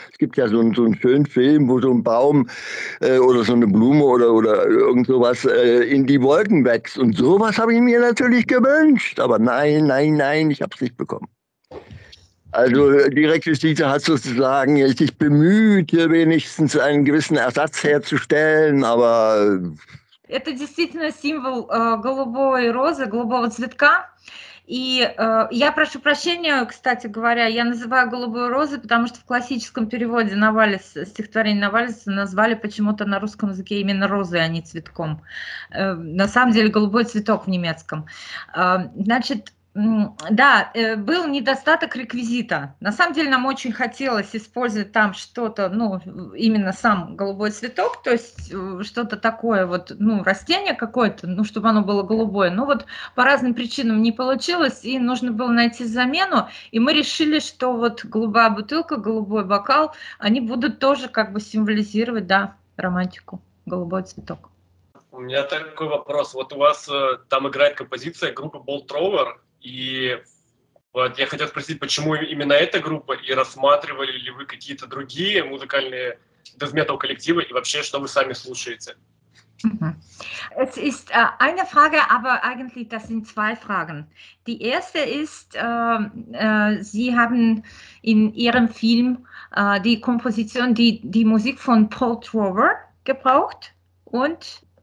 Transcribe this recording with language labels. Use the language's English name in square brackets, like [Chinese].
[German] Es gibt ja so einen schönen Film, wo so ein Baum oder so eine Blume oder irgend sowas in die Wolken wächst. Und sowas habe ich mir natürlich gewünscht. Aber nein, nein, nein, ich habe es nicht bekommen. Also die Requisite hat sozusagen sich bemüht, wenigstens einen gewissen Ersatz herzustellen, aber... [Russian] Это действительно символ голубой розы, голубого цветка. И я прошу прощения, кстати говоря, я называю голубую розу, потому что в классическом переводе Навалис, стихотворение Навалиса назвали почему-то на русском языке именно розой, а не цветком. На самом деле голубой цветок в немецком. Значит, да, был недостаток реквизита. На самом деле нам очень хотелось использовать там что-то, ну, именно сам голубой цветок, то есть что-то такое вот, ну, растение какое-то, ну, чтобы оно было голубое. Но вот по разным причинам не получилось, и нужно было найти замену. И мы решили, что вот голубая бутылка, голубой бокал, они будут тоже как бы символизировать, да, романтику, голубой цветок. У меня такой вопрос. Вот у вас там играет композиция группы Bolt Thrower. И вот я хотел спросить, почему именно эта группа, и рассматривали ли вы какие-то другие музыкальные дезметал коллективы, и вообще, что вы сами слушаете? [German] Es ist eine Frage, aber eigentlich das sind zwei Fragen. Die erste ist, Sie haben in Ihrem Film die Komposition, die Musik von Paul Trover gebraucht und...